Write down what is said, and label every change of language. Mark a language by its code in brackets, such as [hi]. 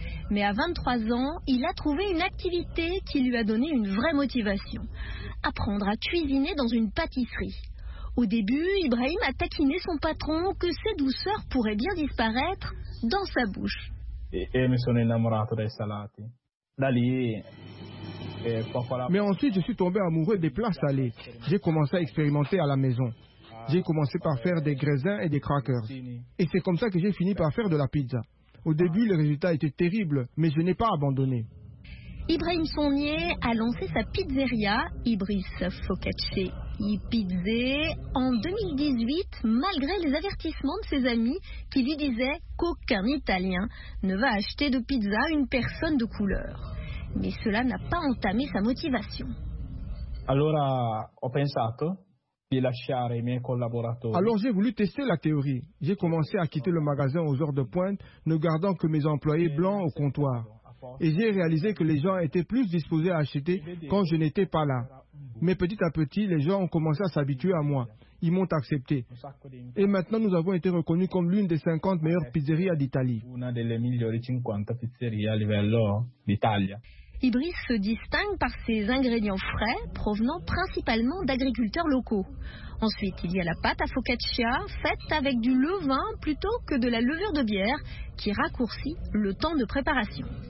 [fr] Mais à 23 ans, il a trouvé une activité qui lui a donné une vraie motivation. Apprendre à cuisiner dans une pâtisserie. Au début, Ibrahim a taquiné son patron que ses douceurs pourraient bien disparaître dans sa bouche. [it] Et me sono innamorato dei salati. Dali. [fr] Mais ensuite, je suis tombé amoureux des plats salés. J'ai commencé à expérimenter à la maison. J'ai commencé par faire des graisins et des crackers. Et c'est comme ça que j'ai fini par faire de la pizza. Au début, le résultat était terrible, mais je n'ai pas abandonné. Ibrahim Sogné a lancé sa pizzeria, Ibris Focacce y Pizze, en 2018, malgré les avertissements de ses amis qui lui disaient qu'aucun Italien ne va acheter de pizza à une personne de couleur. Mais cela n'a pas entamé sa motivation. [it] Alors, ho pensato. De lasciare i miei collaboratori. [fr] Alors j'ai voulu tester la théorie. J'ai commencé à quitter le magasin aux heures de pointe, ne gardant que mes employés blancs au comptoir. Et j'ai réalisé que les gens étaient plus disposés à acheter quand je n'étais pas là. Mais petit à petit, les gens ont commencé à s'habituer à moi. Ils m'ont accepté. Et maintenant, nous avons été reconnus comme l'une des 50 meilleures pizzerias d'Italie. [it] Una delle migliori 50 pizzerie a livello d'Italia. [fr] Ibris se distingue par ses ingrédients frais provenant principalement d'agriculteurs locaux. Ensuite, il y a la pâte à focaccia faite avec du levain plutôt que de la levure de bière qui raccourcit le temps de préparation.